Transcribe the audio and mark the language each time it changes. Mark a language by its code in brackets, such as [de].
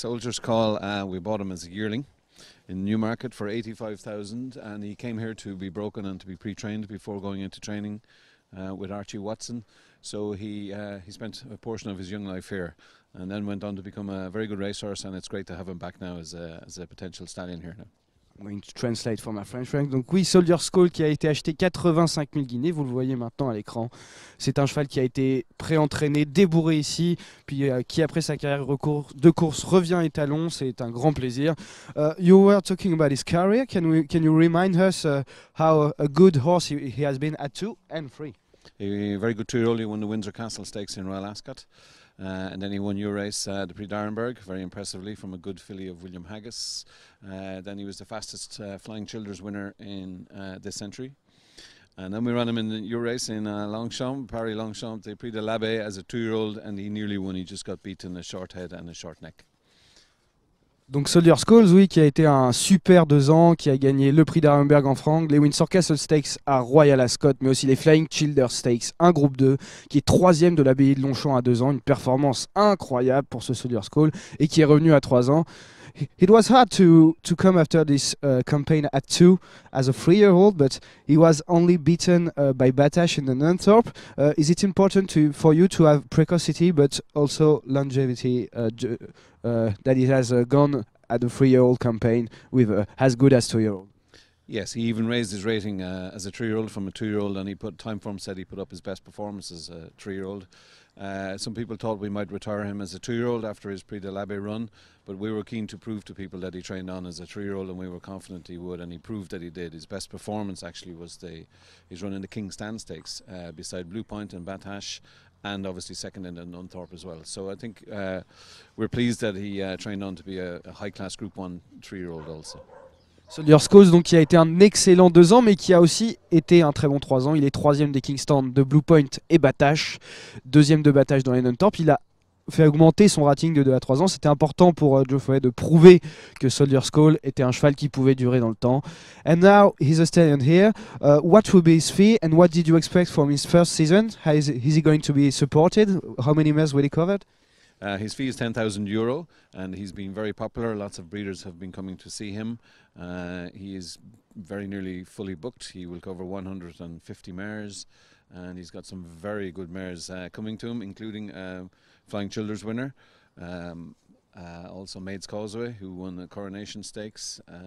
[en] Soldier's Call, we bought him as a yearling in Newmarket for 85,000, and he came here to be broken and to be pre-trained before going into training with Archie Watson. So he spent a portion of his young life here and then went on to become a very good racehorse, and it's great to have him back now as a potential stallion here now. I'm going to translate for my French friend. [fr] Donc oui, Soldier's Call qui a été acheté 85 000 guinées, vous le voyez maintenant à l'écran. C'est un cheval qui a été pré-entraîné, débourré ici, puis qui après sa carrière de course revient étalon. C'est un grand plaisir. [en] You were talking about his career. Can you remind us how a good horse he has been at 2 and 3? A very good 2-year-old, he won the Windsor Castle Stakes in Royal Ascot. And then he won your race, the Prix d'Arenberg, very impressively, from a good filly of William Haggis. Then he was the fastest Flying Childers winner in this century. And then we ran him in your race in Longchamp, Paris Longchamp, the Prix de l'Abbé, as a 2-year-old, and he nearly won. He just got beaten a short head and a short neck. [fr] Donc Soldier's Calls, oui, qui a été un super 2 ans, qui a gagné le prix d'Arenberg en Frank, les Windsor Castle Stakes à Royal Ascot, mais aussi les Flying Childers Stakes, un groupe 2, qui est 3e de l'abbaye de Longchamp à 2 ans, une performance incroyable pour ce Soldier's Call, et qui est revenu à 3 ans. [en] It was hard to come after this campaign at 2 as a 3-year-old, but he was only beaten by Batash in the Nunthorpe. Is it important for you to have precocity, but also longevity, that it has gone at a 3-year-old campaign with as good as 2-year-old? Yes, he even raised his rating as a 3-year-old from a 2-year-old, and he put time form said he put up his best performance as a 3-year-old. Some people thought we might retire him as a 2-year-old after his Prix de l'Abbé run, but we were keen to prove to people that he trained on as a 3-year-old, and we were confident he would, and he proved that he did. His best performance actually was his run in the King Stand Stakes beside Blue Point and Batash, and obviously second in the Nunthorpe as well. So I think we're pleased that he trained on to be a high-class Group 1 3-year-old also. [fr] Soldier's Cause, donc, qui a été un excellent 2 ans, mais qui a aussi été un très bon 3 ans. Il est 3e des Kingston de Blue Point et Batash, 2e de Batash dans les Nunthorpe. Il a fait augmenter son rating de 2 à 3 ans. C'était important pour Joe Foley de prouver que Soldier's Call était un cheval qui pouvait durer dans le temps. [en] And now he's a stallion here. What will be his fee and what did you expect from his first season? How is he going to be supported? How many mares will he cover? His fee is €10,000 and he's been very popular. Lots of breeders have been coming to see him. He is very nearly fully booked. He will cover 150 mares and he's got some very good mares coming to him, including Flying Childers winner, also Maid's Causeway, who won the Coronation Stakes.